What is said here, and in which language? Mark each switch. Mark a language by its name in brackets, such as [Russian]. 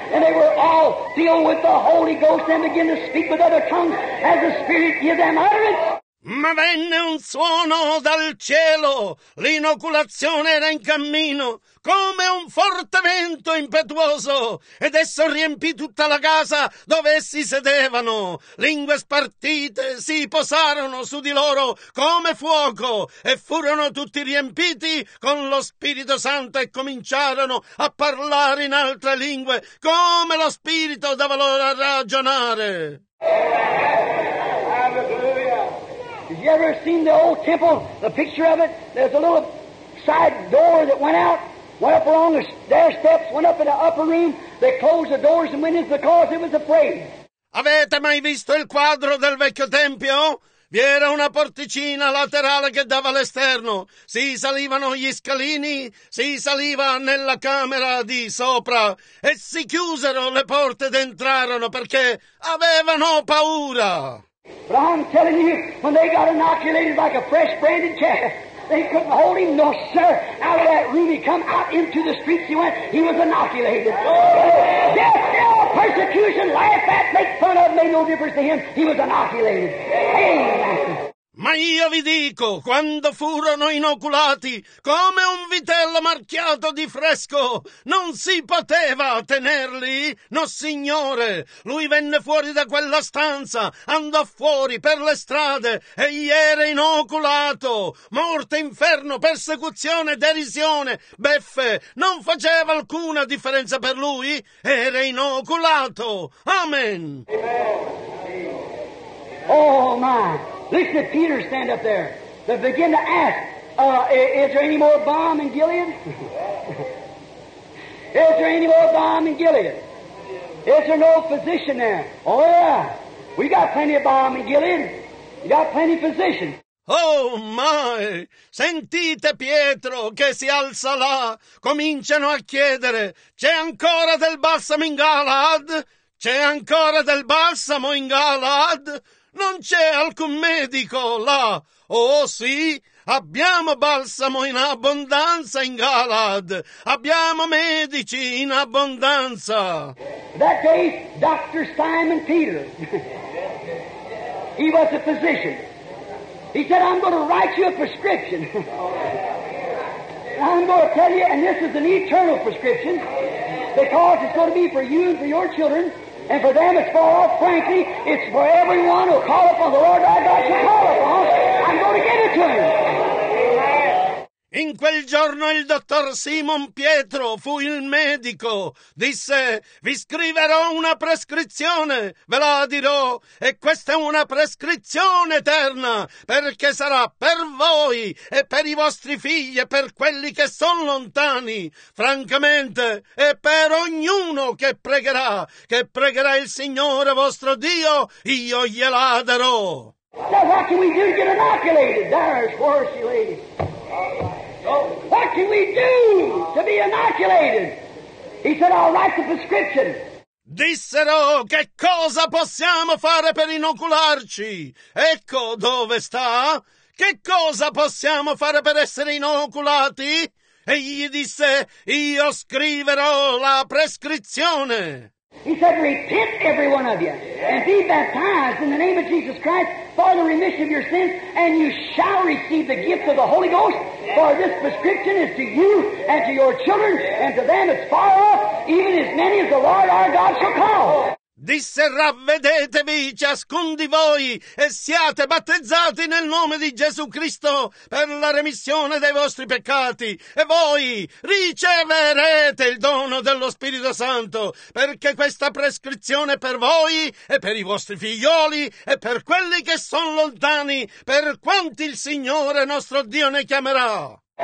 [English] And they were all filled with the Holy Ghost and began to speak with other tongues as the Spirit gave them utterance. [Italian] Ma venne un suono dal cielo, l'inoculazione era in cammino, come un forte vento impetuoso, ed esso riempì tutta la casa dove essi sedevano. Lingue spartite si posarono su di loro come fuoco, e furono tutti riempiti con lo Spirito Santo e cominciarono a parlare in altre lingue, come lo Spirito dava loro a ragionare. [English] Have you ever seen the old temple, the picture of it? There's a little side door that went out, went up along the stair steps, went up in the upper room. They closed the doors and windows because it was afraid. Avete mai visto il quadro del vecchio tempio? Vi era una porticina laterale che dava all'esterno. Si salivano gli scalini, si saliva nella camera di sopra e si chiusero le porte ed entrarono perché avevano paura. But I'm telling you, when they got inoculated like a fresh branded calf, they couldn't hold him, no sir. Out of that room he come, out into the streets he went, he was inoculated. Death, hell, persecution, laugh at, make fun of, made no difference to him, he was inoculated. Amen. [Italian] Ma io vi dico, quando furono inoculati, come un vitello marchiato di fresco, non si poteva tenerli? No, signore, lui venne fuori da quella stanza, andò fuori per le strade, e gli era inoculato. Morte, inferno, persecuzione, derisione, beffe, non faceva alcuna differenza per lui? Era inoculato. Amen. Oh, ma... [English] Listen to Peter stand up there. They begin to ask, is there any more balm in Gilead? Is there any more balm in Gilead? Is there no physician there? Oh, yeah. We got plenty of balm in Gilead. We got plenty of physicians. Oh, my! [Italian] Sentite Pietro che si alza là. Cominciano a chiedere, c'è ancora del balsamo in Galaad? C'è ancora del balsamo in Galaad? Non c'è alcun medico là. Oh sì, abbiamo balsamo in abbondanza in Galaad. Abbiamo medici in abbondanza. [English] That day, Dr. Simon Peter, he was a physician. He said, I'm going to write you a prescription. I'm going to tell you, and this is an eternal prescription, because it's going to be for you and for your children. And for them it's for all, frankly, it's for everyone who call upon the Lord our God shall call upon. I'm going to give it to you. [Italian] In quel giorno il dottor Simon Pietro fu il medico. Disse, vi scriverò una prescrizione, ve la dirò, e questa è una prescrizione eterna, perché sarà per voi e per i vostri figli e per quelli che sono lontani, francamente, e per ognuno che pregherà il Signore vostro Dio, io gliela darò. [English] Now what can we do to get inoculated? There's worse, ladies. What can we do to be inoculated? He said, I'll write the prescription. [Italian] Dissero, che cosa possiamo fare per inocularci? Ecco dove sta. Che cosa possiamo fare per essere inoculati? E gli disse, io scriverò la prescrizione. [English] He said, repent, every one of you, and be baptized in the name of Jesus Christ for the remission of your sins, and you shall receive the gift of the Holy Ghost, for this prescription is to you and to your children, and to them as far off, even as many as the Lord our God shall call. [Italian] Disse, ravvedetevi, ciascun di voi, e siate battezzati nel nome di Gesù Cristo per la remissione dei vostri peccati, e voi riceverete il dono dello Spirito Santo, perché questa prescrizione è per voi e per i vostri figlioli e per quelli che sono lontani, per quanti il Signore nostro Dio ne chiamerà.